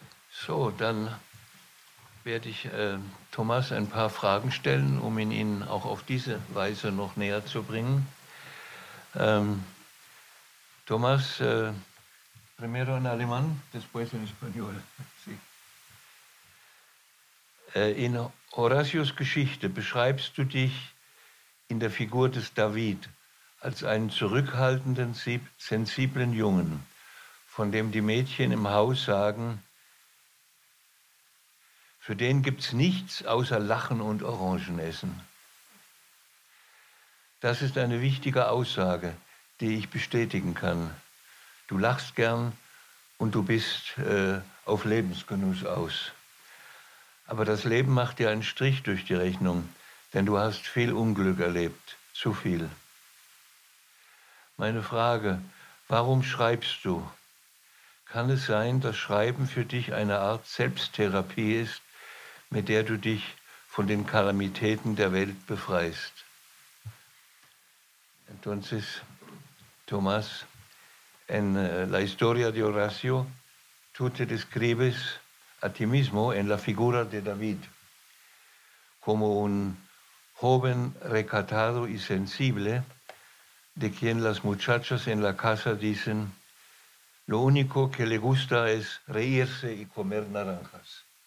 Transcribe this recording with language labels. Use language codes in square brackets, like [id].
[de] So, dann werde ich Thomas ein paar Fragen stellen, um ihn Ihnen auch auf diese Weise noch näher zu bringen. [es] Thomas, primero en alemán, después en español. Sí. [de] In Horatius Geschichte beschreibst du dich in der Figur des David als einen zurückhaltenden, sensiblen Jungen, von dem die Mädchen im Haus sagen, für den gibt's nichts außer Lachen und Orangenessen. Das ist eine wichtige Aussage, die ich bestätigen kann. Du lachst gern und du bist auf Lebensgenuss aus. Aber das Leben macht dir einen Strich durch die Rechnung, denn du hast viel Unglück erlebt, zu viel. Meine Frage, warum schreibst du? Kann es sein, dass Schreiben für dich eine Art Selbsttherapie ist, mit der du dich von den Kalamitäten der Welt befreist? [es] Entonces, Tomás, en la historia de Horacio, tú te describes a ti mismo en la figura de David, como un joven recatado y sensible, de quien las muchachas en la casa dicen, lo único que le gusta es reírse y comer naranjas.